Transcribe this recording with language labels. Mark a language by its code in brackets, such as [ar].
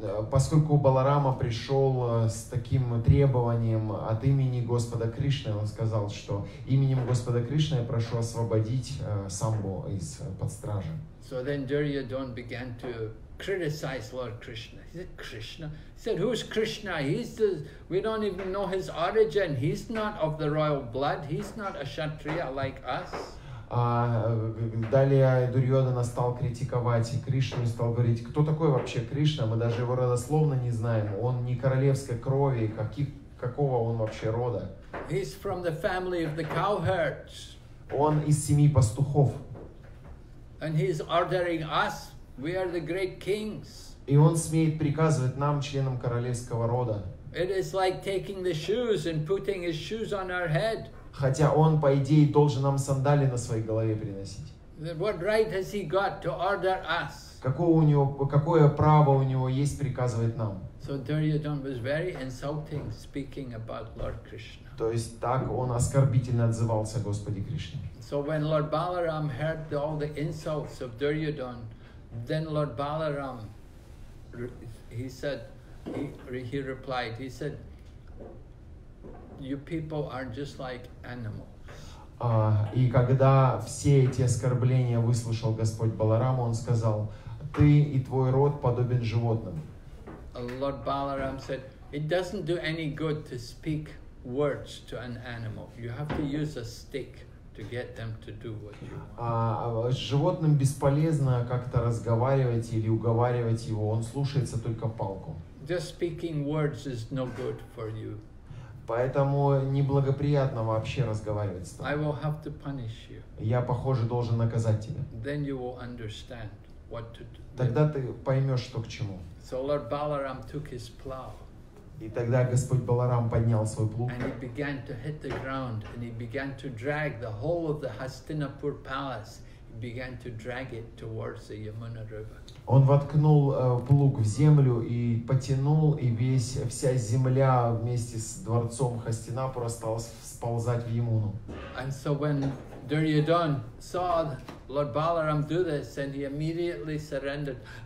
[ru] Поскольку Баларама пришел с таким требованием от имени Господа Кришны, он сказал, что именем Господа Кришны я прошу освободить Самбу из под стражи. [en] So then Duryodhan began to criticize Lord Krishna. He said, Krishna? He said, who's Krishna? We don't even know his origin. He's not of the royal blood. He's not a kshatriya like us. [ru] Далее Дурьодана стал критиковать Кришну и стал говорить, кто такой вообще Кришна, мы даже его родословно не знаем, он не королевской крови, какого он вообще рода. [en] He's from the family of the cowherds. [ru] Он из семьи пастухов. [en] And he's ordering us. We are the great kings. [ru] И он смеет приказывать нам, членам королевского рода. [en] It is like taking the shoes and putting his shoes on our head. [ru] Хотя он, по идее, должен нам сандали на своей голове приносить. [en] What right has he got to order us? [ru] Какое право у него есть приказывать нам? [en] So Duryodhan was very insulting speaking about Lord Krishna. [ru] То есть так он оскорбительно отзывался о Господе Кришне. [en] So when Lord Balaram heard all the insults of Duryodhan, then Lord Balaram, he replied, you people are just like animals. [ru] И когда все эти оскорбления выслушал Господь Баларам, он сказал, ты и твой род подобен животным. [en] Lord Balaram said, it doesn't do any good to speak words to an animal. You have to use a stick to get them to do what you want. [ru] С животным бесполезно как-то разговаривать или уговаривать его, он слушается только палку. [en] Just speaking words is no good for you. [ru] Поэтому неблагоприятно вообще разговаривать с тобой. [en] I will have to punish you. [ru] Я, похоже, должен наказать тебя. [en] Then you will understand what to do. [ru] Тогда ты поймешь, что к чему. [en] So Lord Balaram took his plow. [ru] И тогда Господь Баларам поднял свой плуг. [en] And he began to hit the ground, and he began to drag the whole of the Hastinapur palace. began to drag it towards the Yamuna River. [ru] Он воткнул плуг в землю и потянул, и весь, вся земля вместе с дворцом Хастинапура стала сползать в Ямуну. [en] And so when Duryodhan saw Lord Balaram do this, and he immediately surrendered.